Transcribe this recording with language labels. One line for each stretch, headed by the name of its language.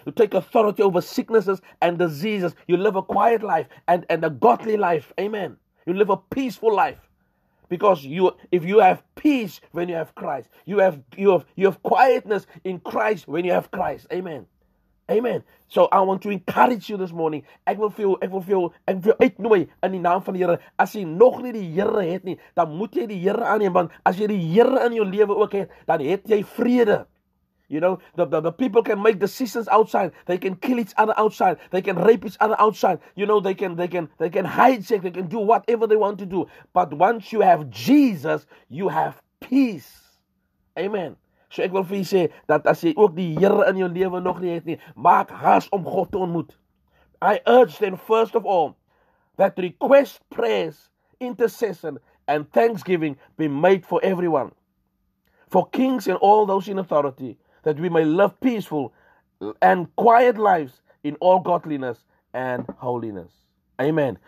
English: You take authority over sicknesses and diseases. You live a quiet life and a godly life. Amen. You live a peaceful life. Because if you have peace when you have Christ, you have quietness in Christ when you have Christ. Amen. Amen. So I want to encourage you this morning.
Afrikaans: Ek wil vir jou uitnooi in die naam van die Here. As jy nog nie die Here het nie, dan moet jy die Here aanneem, want as jy die Here in jou lewe ook het, dan het jy vrede.
English: You know, the people can make decisions outside. They can kill each other outside. They can rape each other outside. You know, they can hijack. They can do whatever they want to do. But once you have Jesus, you have peace. Amen.
Afrikaans: So ek wil vir jy sê, dat as jy ook die Here in jou lewe nog nie het nie, maak haas om God te ontmoet.
English: I urge then, first of all, that request, prayers, intercession, and thanksgiving be made for everyone. For kings and all those in authority, that we may live peaceful and quiet lives in all godliness and holiness. Amen.